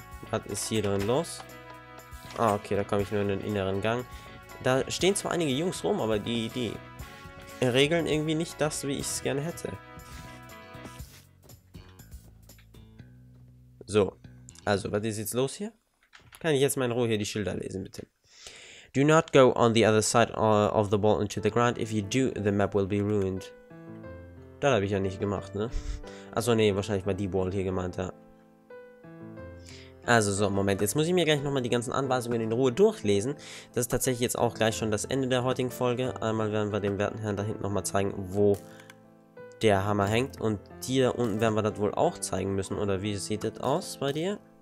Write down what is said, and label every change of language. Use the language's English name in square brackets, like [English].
[German] Was ist hier drin los? Ah, okay, da komme ich nur in den inneren Gang. Da stehen zwar einige Jungs rum, aber die regeln irgendwie nicht das, wie ich es gerne hätte. So, also, was ist jetzt los hier? Kann ich jetzt mal in Ruhe hier die Schilder lesen, bitte? [English] Do not go on the other side of the wall into the ground. If you do, the map will be ruined. [German] Das habe ich ja nicht gemacht, ne? Achso, nee, wahrscheinlich mal die Wall hier gemeint, ja. Also, so, Moment, jetzt muss ich mir gleich nochmal die ganzen Anweisungen in Ruhe durchlesen. Das ist tatsächlich jetzt auch gleich schon das Ende der heutigen Folge. Einmal werden wir dem werten Herrn da hinten nochmal zeigen, wo der Hammer hängt, und dir unten werden wir das wohl auch zeigen müssen, oder wie sieht das aus bei dir?